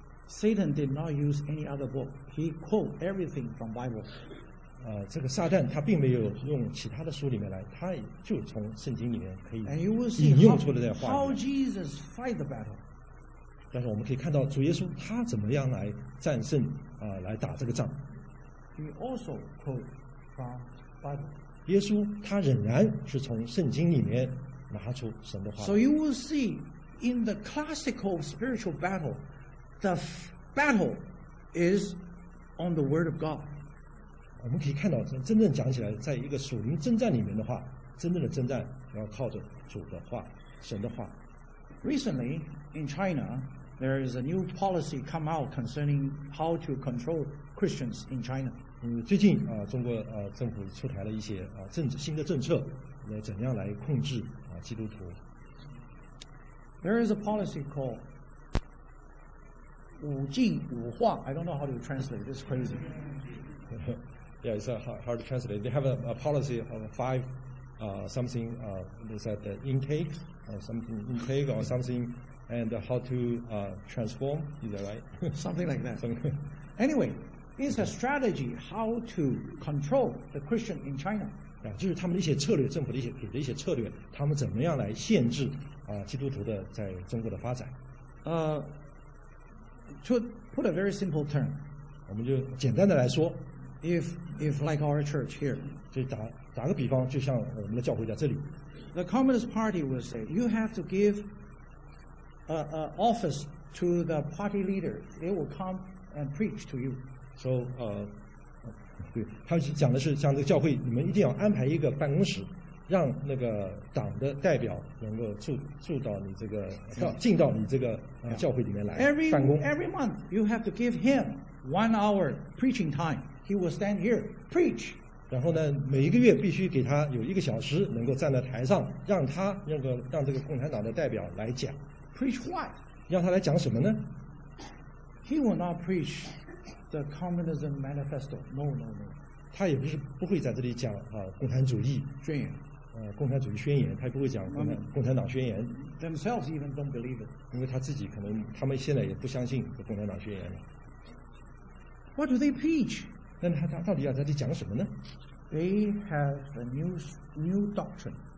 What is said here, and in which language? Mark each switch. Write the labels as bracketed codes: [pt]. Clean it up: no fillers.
[en] Satan did not use any other book. He quoted everything from Bible. [zh] 这个撒旦他并没有用其他的书里面来，他就从圣经里面可以引用出来的话。 [en] How Jesus fight the battle? [zh] 但是我们可以看到主耶稣他怎么样来战胜来打这个仗。 [en] He also quoted from Bible. [zh] 耶稣他仍然是从圣经里面拿出神的话。 [en] So you will see in the classical spiritual battle. The battle is on the word of God. [zh] 我们可以看到，真正讲起来，在一个属灵征战里面的话，真正的征战要靠着主的话，神的话。 [en] Recently, in China, there is a new policy come out concerning how to control Christians in China. [zh] 最近中国政府出台了一些新的政策，来怎样来控制基督徒。 [en] There is a policy called. 五禁五化 I don't know how to translate this crazy. Yeah, it's hard to translate. They have a policy of five something, they said the intake or something, intake or something, and how to transform, is that right? Something like that. Anyway, it's a strategy how to control the Christian in China. [zh] Yeah, 就是他们的一些策略，政府的一些策略，他们怎么样来限制基督徒的在中国的发展。 [en] To put a very simple term, [zh] 我们就简单的来说 [en] if like our church here, [zh] 就打个比方，就像我们的教会在这里 [en] ，the Communist Party will say you have to give a office to the party leader, they will come and preach to you. [zh] So, 对，他讲的是像这个教会，你们一定要安排一个办公室，让那个党的代表能够住到你这个进到你这个教会里面来办公。 [en] Every month you have to give him 1 hour preaching time. He will stand here preach. [zh] 然后呢，每一个月必须给他有一个小时能够站在台上，让他让这个共产党的代表来讲。 [en] Preach what? [zh] 让他来讲什么呢 [en] ？He will not preach the Communism Manifesto. No, no, no. [zh] 他也不会在这里讲共产主义宣言，共产主义宣言，他不会讲共产党宣言。 [en] Themselves even don't believe it， [zh] 因为他自己可能他们现在也不相信共产党宣言了。 [en] What do they preach？ [zh] 那他到底要在这里讲什么呢 [en] ？They have a new doctrine.